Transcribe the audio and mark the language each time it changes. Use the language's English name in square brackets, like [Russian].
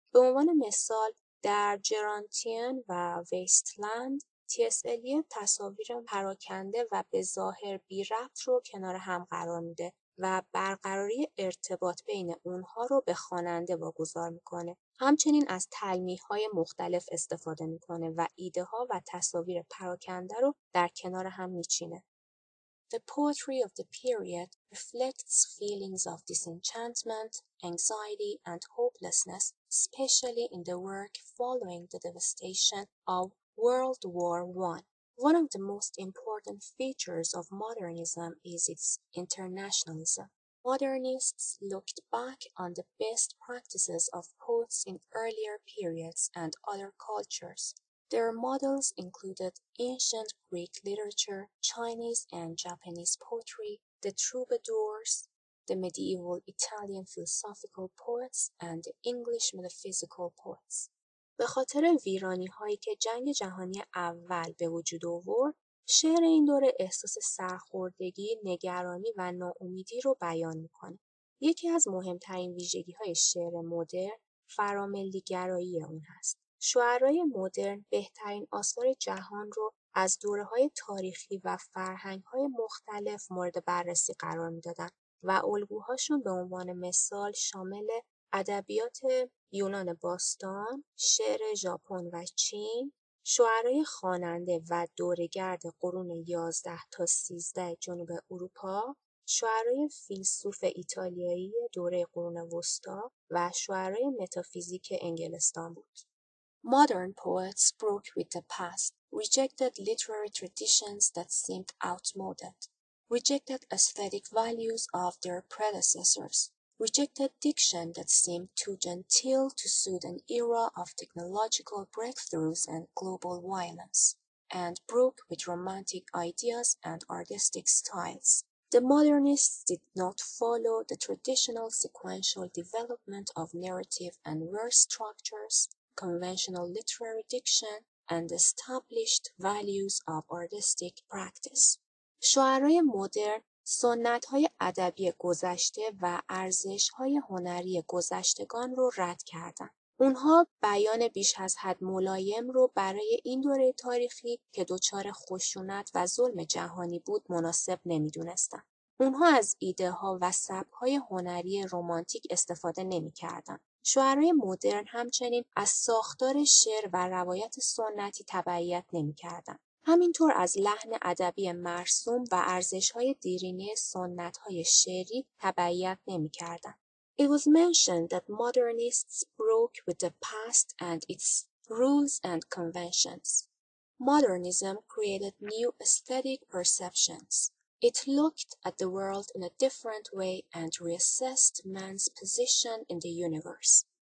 [Persian] به عنوان مثال در جرانتین و ویستلند تی‌اس الیوت تصاویر پراکنده و به ظاهر بی ربط رو کنار هم قرار میده و برقراری ارتباط بین اونها رو به خواننده واگذار میکنه. همچنین از تلمیح‌های مختلف استفاده میکنه و ایده‌ها و تصاویر پراکنده رو در کنار هم میچینه. [English] The poetry of the period reflects feelings of disenchantment, anxiety, and hopelessness, especially in the work following the devastation of World War I. One of the most important features of modernism is its internationalism. Modernists looked back on the best practices of poets in earlier periods and other cultures. Their models included ancient Greek literature, Chinese and Japanese poetry, the troubadours, the medieval Italian philosophical poets, and the English metaphysical poets. [Persian] به خاطر ویرانی هایی که جنگ جهانی اول به وجود آورد، شعر این دوره احساس سرخوردگی، نگرانی و ناامیدی رو بیان میکنه. یکی از مهمترین ویژگی های شعر مدرن فراملی‌گرایی اون هست. شعرای مدرن بهترین آثار جهان رو از دوره های تاریخی و فرهنگ های مختلف مورد بررسی قرار میدادن و الگوهاشون به عنوان مثال شامل ادبیات یونان باستان، شعر ژاپن و چین، شعرای خواننده و دوره‌گرد قرون 11 تا 13 جنوب اروپا، شعرای فیلسوف ایتالیایی دوره قرون وسطا و شعرای متافیزیک انگلستان بود. [English] Modern poets broke with the past, rejected literary traditions that seemed outmoded, rejected aesthetic values of their predecessors. Rejected diction that seemed too genteel to suit an era of technological breakthroughs and global violence, and broke with romantic ideas and artistic styles. The modernists did not follow the traditional sequential development of narrative and verse structures, conventional literary diction, and established values of artistic practice. [Persian] شعرای مدرن سنت‌های ادبی گذشته و ارزش‌های هنری گذشتگان رو رد کردند. اونها بیان بیش از حد ملایم رو برای این دوره تاریخی که دچار خشونت و ظلم جهانی بود مناسب نمی‌دونستند. اونها از ایده‌ها و سبک‌های هنری رمانتیک استفاده نمی‌کردند. شعرای مدرن همچنین از ساختار شعر و روایت سنتی تبعیت نمی‌کردند. همینطور از لحن ادبی مرسوم و ارزش‌های دیرینه سنت‌های شعری تبعیت نمی‌کردند. [English] It was mentioned that modernists broke with the past and its rules and conventions. Modernism created new aesthetic perceptions. It looked at the world in a different way and reassessed man's position in the universe.